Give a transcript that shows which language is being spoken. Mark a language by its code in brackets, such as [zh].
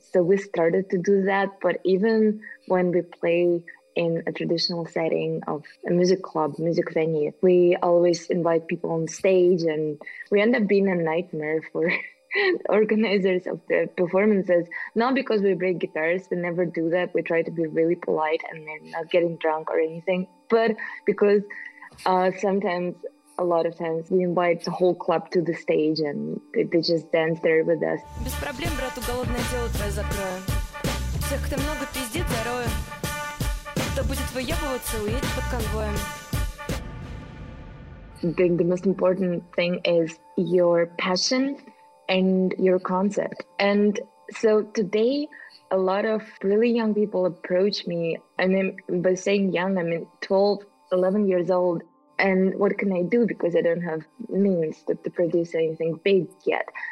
[en] So we started to do that. But even when we play in a traditional setting of a music club, music venue, we always invite people on stage and we end up being a nightmare for organizers of the performances. Not because we break guitars, we never do that. We try to be really polite and then not getting drunk or anything, but because a lot of times we invite the whole club to the stage and they just dance there with us. [ru] Без проблем, брат, уголовное дело твое закрою. Всех, кто много пиздит, зарою. Кто будет выебываться, уедет под конвоем. [en] The most important thing is your passion and your concept. And so today, a lot of really young people approach me. I mean, by saying young, I mean 12, 11 years old. And what can I do? Because I don't have means to produce anything big yet.